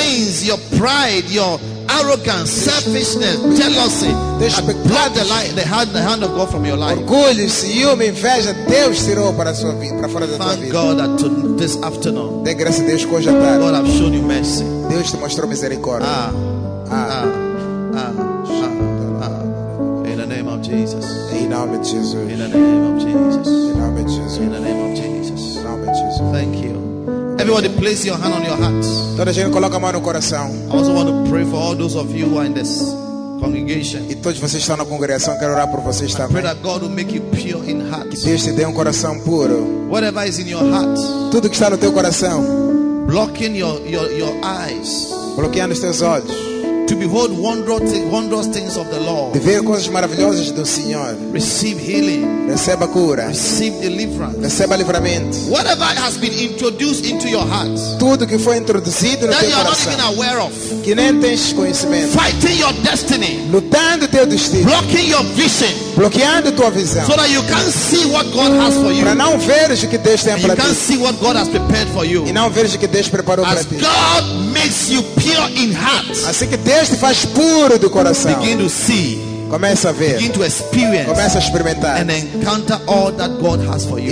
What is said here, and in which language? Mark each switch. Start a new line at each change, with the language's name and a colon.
English: Your sins, your pride, your arrogance, selfishness, jealousy.
Portuguese: Deus
English: blocked the hand of God from your life.
Portuguese: Orgulho, ciúme, inveja, Deus tirou para a sua vida, para fora da
English: thank
Portuguese: tua vida.
English: God that this afternoon.
Portuguese: Dê graça a Deus que hoje à tarde.
English: God have shown you mercy.
Portuguese: Deus te mostrou misericórdia.
English: In the name of Jesus.
Portuguese: Em nome de Jesus.
English: In the name of Jesus.
Portuguese: Em nome de Jesus.
English: In the name of Jesus.
Portuguese: Em nome de Jesus.
English: Thank you. Everybody, place your hand on your heart.
Portuguese: Toda gente coloca a mão no coração.
English: I also want to pray for all those of you who are in this congregation.
Portuguese: E todos vocês estão na congregação, quero orar por vocês também.
English: I pray that God will make you pure in heart.
Portuguese: Que Deus te dê coração puro.
English: Whatever is in your heart.
Portuguese: Tudo que está no teu coração.
English: Blocking your eyes.
Portuguese: Bloqueando os teus olhos.
English: To behold wondrous things of the Lord.
Portuguese: De ver coisas maravilhosas do Senhor.
English: Receive healing.
Portuguese: Receba cura.
English: Receive deliverance.
Portuguese: Receba livramento.
English: Whatever has been introduced into your heart.
Portuguese: Tudo que foi introduzido no teu coração.
English: That you are not even aware of.
Portuguese: Que nem tens conhecimento.
English: Fighting your destiny.
Portuguese: Lutando teu destino.
English: Blocking your vision.
Portuguese: Bloqueando tua visão.
English: So that you can't see what God has for you.
Portuguese: Para não veres o que Deus tem para ti.
English: You can't see what God has prepared for you.
Portuguese: E não veres o que Deus preparou para ti.
English: As God makes you pure in heart.
Portuguese: Assim que Deus te faz puro do coração.
English: Begin to see.
Portuguese: Começa a ver.
English: Begin to experience.
Portuguese: Começa a experimentar.
English: And encounter all that God has for you.